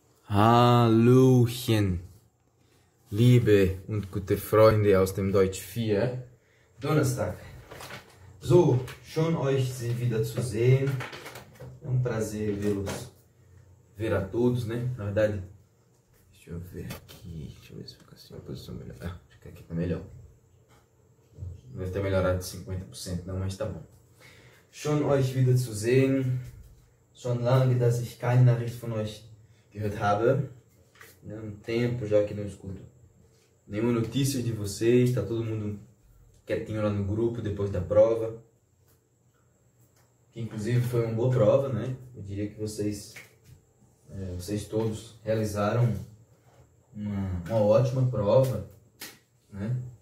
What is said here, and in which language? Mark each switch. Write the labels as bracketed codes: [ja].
[de] Hallöchen, liebe und gute Freunde aus dem Deutsch 4, Donnerstag. So, schön euch sie wieder zu sehen. [pt] É um prazer vê-los, ver a todos, né? Na verdade, deixa eu ver aqui, deixa eu ver se fica assim, a posição melhor. Ah, acho que aqui tá melhor. Não deve ter melhorado de 50%, não, mas tá bom. [de] Schön euch wieder zu sehen. Schon lange, dass ich keine Nachricht von euch gehört habe. [pt] É um tempo já que não escuto nenhuma notícia de vocês. Tá todo mundo quietinho lá no grupo depois da prova. Que inclusive foi uma boa prova, né? Eu diria que vocês todos realizaram uma ótima prova, né?